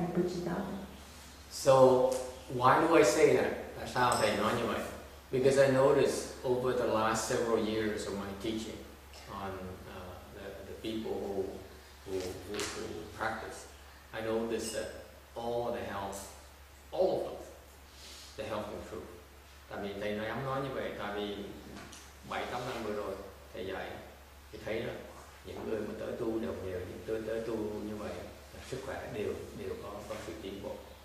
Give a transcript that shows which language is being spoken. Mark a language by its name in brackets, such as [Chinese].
[Chinese] 心灵修行的这个对你的好处是一般人不知道的。 [English] So why do I say that? [Chinese] 为什么我会说这样? [English] Because I noticed over the last several years of my teaching on the people who practice, I noticed that all of them, the health improved. [Vietnamese] Tại vì thầy nói dám nói như vậy, tại vì 7-8 năm vừa rồi thầy dạy. Thì thấy đó, những người mà tới tu đều nhiều, những người tới tu như vậy, sức khỏe đều có sự tiến bộ.